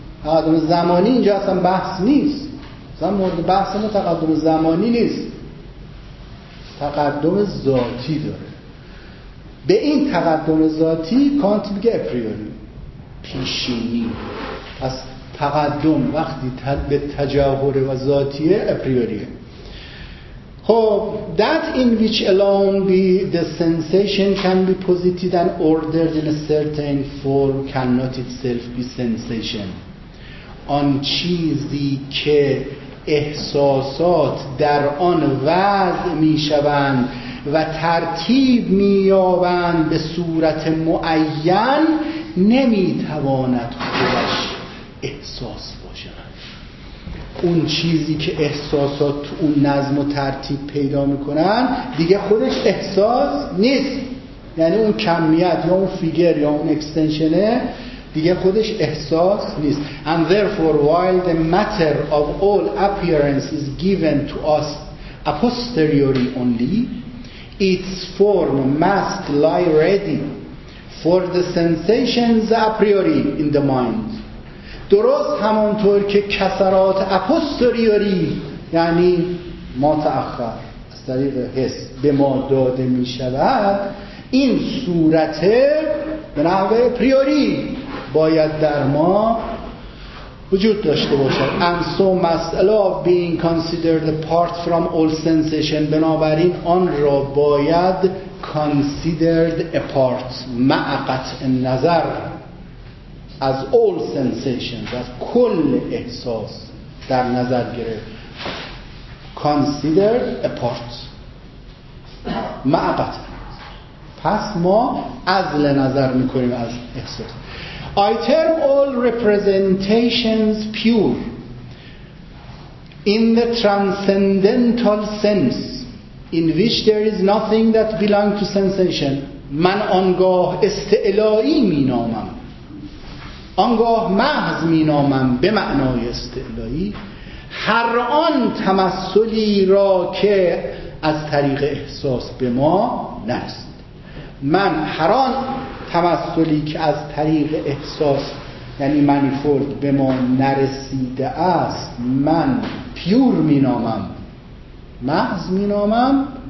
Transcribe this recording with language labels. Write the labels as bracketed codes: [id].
[fa] تقدم زمانی اینجا اصلا بحث نیست، اصلا مورد بحث ما تقدم زمانی نیست. تقدم ذاتی داره. به این تقدم ذاتی کانت میگه اپریوری، پیشینی. از تقدم وقتی به تجاوز و ذاتیه اپریوریه. [en] خب that in which alone be the sensation can be posited and ordered in a certain form cannot itself be sensation. [fa] آن چیزی که احساسات در آن وضع می شوند و ترتیب می یابند به صورت معین نمی تواند خودش احساس باشد. اون چیزی که احساسات تو اون نظم و ترتیب پیدا میکنن دیگه خودش احساس نیست، یعنی اون کمیت یا اون فیگر یا اون اکستنشنه دیگه خودش احساس نیست. [en] And therefore while the matter of all appearance is given to us a posteriori only, its form must lie ready for the sensations a priori in the mind. [fa] درست همانطور که کسرات اپوستریوری یعنی ما تأخر از طریق حس به ما داده می شود، این صورت به نحوه پریوری باید در ما وجود داشته باشد. [en] And so must allow being considered apart from all sensation. [fa] بنابراین آن را باید considered apart، مع قطع نظر از all sensations، از کل احساس در نظر گرفت. [en] Consider apart معقطا. [fa] پس ما عزل نظر میکنیم از احساس. [en] I term all representations pure in the transcendental sense in which there is nothing that belongs to sensation. [fa] من آنگاه استعلایی مینامم، آنگاه محض می نامم به معنای استعلایی هر آن تمثلی را که از طریق احساس به ما نرسد. من هر آن تمثلی که از طریق احساس یعنی منیفولد به ما نرسیده است من پیور می نامم، محض می نامم.